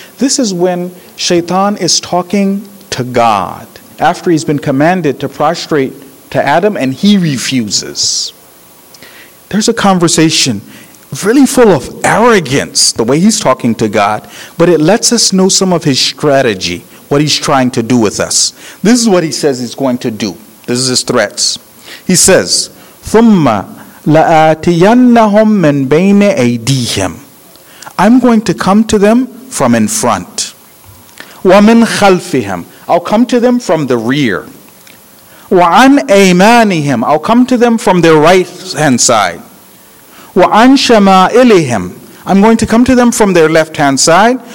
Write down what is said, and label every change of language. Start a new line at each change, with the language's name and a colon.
English: This is when Shaitan is talking to God after he's been commanded to prostrate to Adam and he refuses. There's a conversation really full of arrogance, the way he's talking to God, but it lets us know some of his strategy, what he's trying to do with us. This is what he says he's going to do. This is his threats. He says,
Arabic: ثُمَّ لَآتِيَنَّهُمْ مِنْ بَيْنِ أَيْدِيهِمْ.
English: I'm going to come to them from in front.
Arabic: وَمِنْ خَلْفِهِمْ.
English: I'll come to them from the rear.
Arabic: وَعَنْ أَيْمَانِهِمْ.
English: I'll come to them from their right-hand side.
Arabic: وَعَنْ شَمَائِلِهِمْ.
English: I'm going to come to them from their left-hand side.